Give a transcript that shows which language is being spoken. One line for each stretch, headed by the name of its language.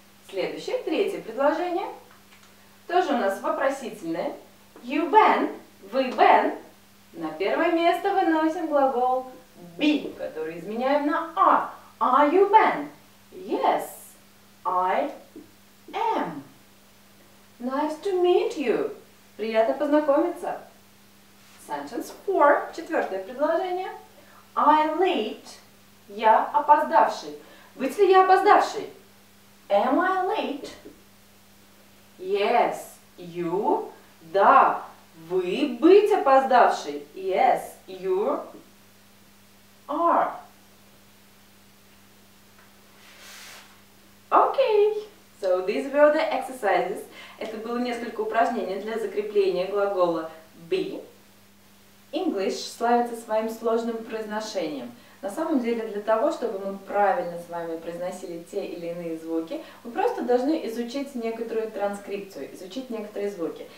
Russian: Следующее, третье предложение. Тоже у нас вопросительное.
English: You been, вы been.
Russian: На первое место выносим глагол be, который изменяем на are.
English: Are you been? Yes, I am. Nice to meet you.
Russian: Приятно познакомиться.
English: Sentence four,
Russian: четвертое предложение.
English: I late.
Russian: Я опоздавший. Быть ли я опоздавший?
English: Am I late? Yes, you.
Russian: Да, вы быть опоздавший.
English: Yes, you are. Okay, so these were the exercises.
Russian: Это было несколько упражнений для закрепления глагола be. English славится своим сложным произношением. На самом деле, для того, чтобы мы правильно с вами произносили те или иные звуки, мы просто должны изучить некоторую транскрипцию, изучить некоторые звуки.